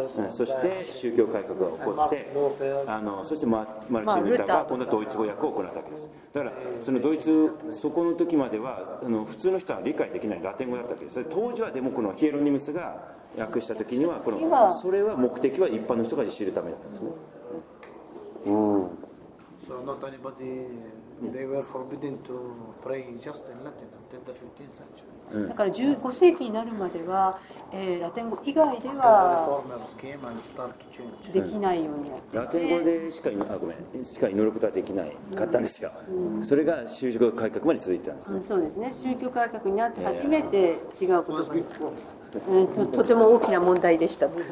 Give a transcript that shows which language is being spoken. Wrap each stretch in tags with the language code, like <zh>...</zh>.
<ja>そして宗教改革が起こって、そしてマルチン・ルターが今度はドイツ語訳を行ったわけです。だからそのドイツ、そこの時までは普通の人は理解できないラテン語だったわけです。それ当時は、でもこのヒエロニムスが訳した時には、このそれは目的は一般の人が知るためだったんですね。うん。</ja> <en>So not anybody, they were forbidden to pray just in Latin until the 15th century.</en> <ja>だから15世紀になるまでは、ラテン語以外ではできないようになって、ラテン語でしか、ごめん、しか祈ることはできないかったんですよ。それが宗教改革まで続いてたんですね。そうですね。宗教改革になって初めて違う言葉に、とても大きな問題でした。</ja>